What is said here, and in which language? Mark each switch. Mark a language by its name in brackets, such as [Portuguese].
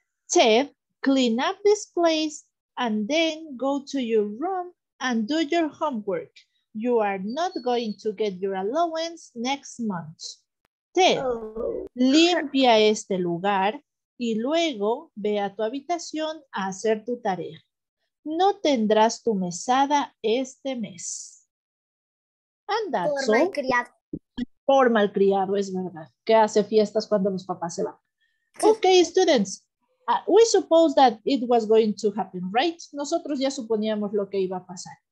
[English] Ted, clean up this place and then go to your room and do your homework. You are not going to get your allowance next month. [Spanish] Ted, limpia este lugar y luego ve a tu habitación a hacer tu tarea. No tendrás tu mesada este mes. Anda, por malcriado. Por malcriado, es verdad. Que hace fiestas cuando los papás se van. [English] Okay, students. We suppose that it was going to happen, right? [Spanish] Nosotros ya suponíamos lo que iba a pasar.